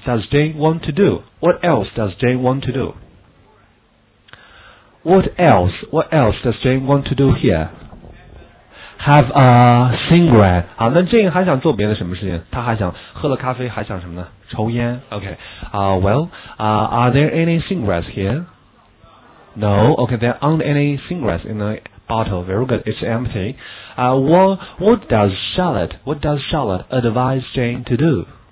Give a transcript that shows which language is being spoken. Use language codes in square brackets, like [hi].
[en] What else does Jane want to do? What else does Jane want to do here? Have a cigarette. [zh] 好，那 Jane 还想做别的什么事情？她还想喝了咖啡，还想什么呢？抽烟。 [en] Okay. Are there any cigarettes here? No. Okay. There aren't any cigarettes in the bottle. Very good. It's empty. What does Charlotte advise Jane to do?